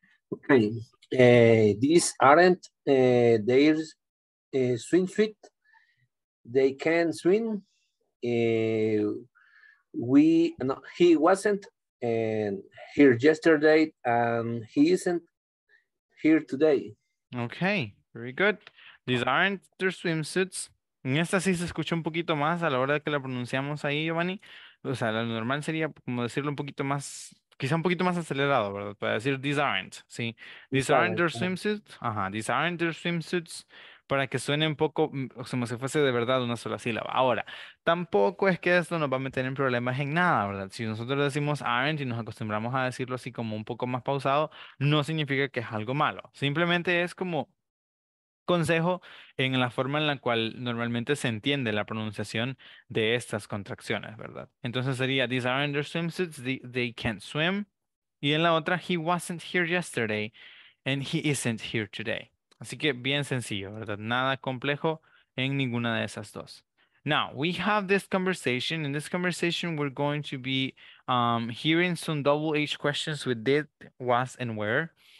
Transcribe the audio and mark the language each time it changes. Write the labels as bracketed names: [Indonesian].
[English] Okay. These aren't their swim suit. They can swim. He wasn't here yesterday, and he isn't here today. Okay, very good. These aren't their swimsuits. [Spanish] En esta sí se escucha un poquito más a la hora que la pronunciamos ahí, Giovanni. O sea, lo normal sería como decirlo un poquito más, quizá un poquito más acelerado, ¿verdad? Para decir [English] these aren't, ¿sí? These aren't their swimsuits. [Spanish] Ajá, [English] these aren't their swimsuits. [Spanish] Para que suene un poco como si fuese de verdad una sola sílaba. Ahora, tampoco es que esto nos va a meter en problemas en nada, ¿verdad? Si nosotros decimos aren't y nos acostumbramos a decirlo así como un poco más pausado, no significa que es algo malo. Simplemente es como consejo en la forma en la cual normalmente se entiende la pronunciación de estas contracciones, ¿verdad? Entonces sería, [English] these aren't their swimsuits, they can't swim. [Spanish] Y en la otra, [English] he wasn't here yesterday and he isn't here today. [Spanish] Así que bien sencillo, ¿verdad? Nada complejo en ninguna de esas dos. [English] Now, we have this conversation. In this conversation, we're going to be hearing some double-H questions with did, was, and where.